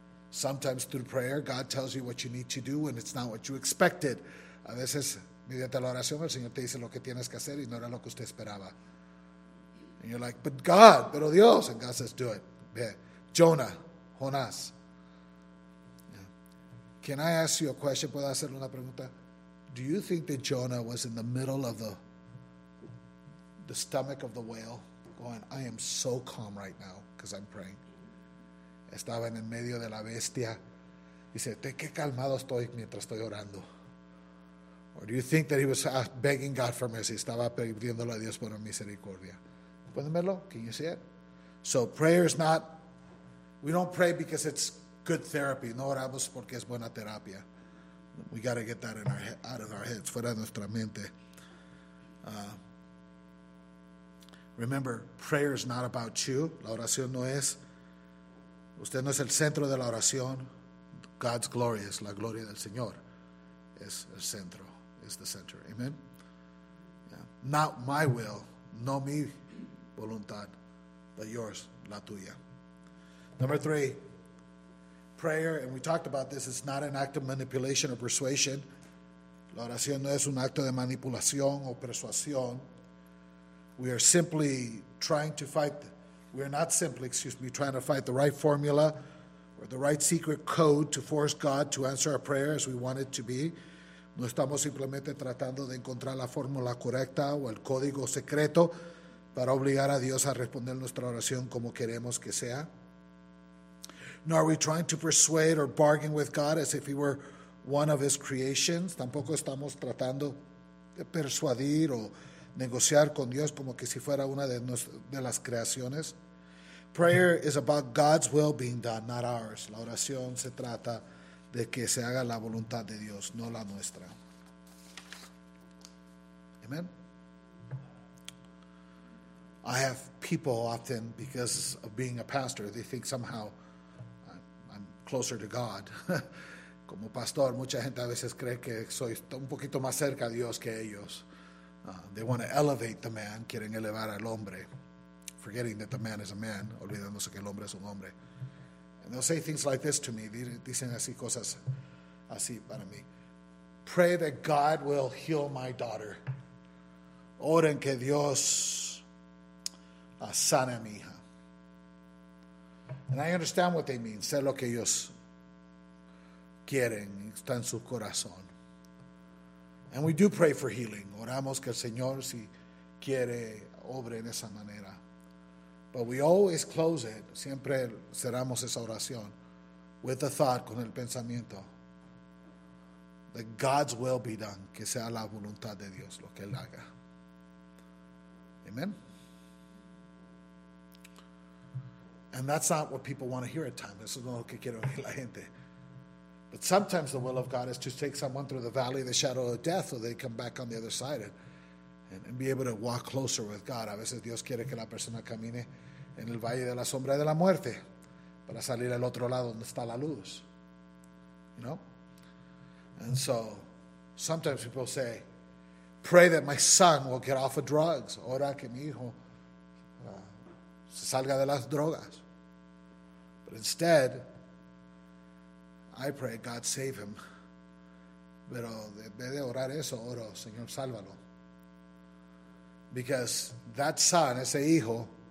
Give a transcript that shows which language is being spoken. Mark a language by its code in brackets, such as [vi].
[en] Sometimes through prayer, God tells you what you need to do and it's not what you expected. [es] A veces, mediante la oración, el Señor te dice lo que tienes que hacer y no era lo que usted esperaba. [en] And you're like, but God, [es] pero Dios. [en] And God says, do it. Yeah. Jonah, Jonás. Can I ask you a question? [es] ¿Puedo hacerle una pregunta? [en] Do you think that Jonah was in the middle of the stomach of the whale going, I am so calm right now because I'm praying? [es] Estaba en el medio de la bestia. Dice, ¿de qué calmado estoy mientras estoy orando? [en] Or do you think that he was begging God for mercy? [es] Estaba pidiéndole a Dios por misericordia. ¿Pueden verlo? [en] Can you see it? So prayer is not, we don't pray because it's good therapy. [es] No oramos porque es buena terapia. [en] We got to get that in out of our heads, [es] fuera de nuestra mente. [en] Remember, prayer is not about you. [es] La oración no es, usted no es el centro de la oración. [en] God's glory is [es] la gloria del Señor. Es el centro, [en] is the center. Amen? Yeah. Not my will, [es] no mi voluntad, [en] but yours, [es] la tuya. [en] Number three. Prayer, and we talked about this, it's not an act of manipulation or persuasion. [es] La oración no es un acto de manipulación o persuasión. [en] We are simply trying to fight, we are not simply, excuse me, trying to fight the right formula or the right secret code to force God to answer our prayer as we want it to be. [es] No estamos simplemente tratando de encontrar la fórmula correcta o el código secreto para obligar a Dios a responder nuestra oración como queremos que sea. [en] Nor are we trying to persuade or bargain with God as if he were one of his creations. [es] Tampoco estamos tratando de persuadir o negociar con Dios como que si fuera una de las creaciones. [en] Prayer is about God's will being done, not ours. [es] La oración se trata de que se haga la voluntad de Dios, no la nuestra. [en] Amen. I have people often, because of being a pastor, they think somehow closer to God. [es] Como pastor, mucha gente a veces cree que soy un poquito más cerca a Dios que ellos. [en] They want to elevate the man, [es] quieren elevar al hombre, [en] forgetting that the man is a man, [es] olvidándose que el hombre es un hombre. [en] And they'll say things like this to me, [es] dicen así cosas así para mí. [en] Pray that God will heal my daughter. [es] Oren que Dios sane a mi hija. [en] And I understand what they mean. [es] Sé lo que ellos quieren. Está en su corazón. [en] And we do pray for healing. [es] Oramos que el Señor, si quiere, obre en esa manera. [en] But we always close it. [es] Siempre cerramos esa oración. [en] With the thought, [es] con el pensamiento. [en] That God's will be done. [es] Que sea la voluntad de Dios lo que Él haga. [en] Amen. And that's not what people want to hear at times. [es] Eso no es lo que quiere oír la gente. [en] But sometimes the will of God is to take someone through the valley of the shadow of death so they come back on the other side and be able to walk closer with God. [es] A veces Dios quiere que la persona camine en el valle de la sombra de la muerte para salir al otro lado donde está la luz. [en] You know? And so sometimes people say, pray that my son will get off of drugs. [es] Ora que mi hijo se salga de las drogas. [en] But instead, I pray God save him. [es] Pero en vez de orar eso, oro, Señor, sálvalo. [en] Because that son, [es] ese hijo,